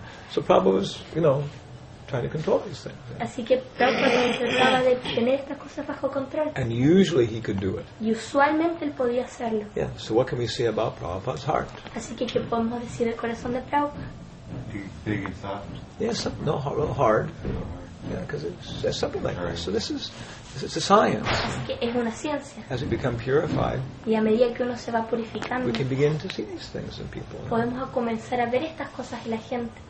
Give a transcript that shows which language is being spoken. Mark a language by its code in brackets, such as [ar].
[en] So Prabhupada was, you know, trying to control these things. [es] Así que Prabhupada trataba de tener estas cosas bajo control. [en] And usually he could do it. [es] Y usualmente él podía hacerlo. [en] Yeah. So what can we say about Prabhupada's heart? [es] Así que qué podemos decir del corazón de Prabhupada? [en] Big and soft. Yes. Yeah, no. Real hard. Yeah, because it's something like this. So it's a science. [es] Así que es una ciencia. [en] As we become purified, [es] y a medida que uno se va purificando, [en] we can begin to see these things in people. [es] Podemos a comenzar a ver estas cosas en la gente.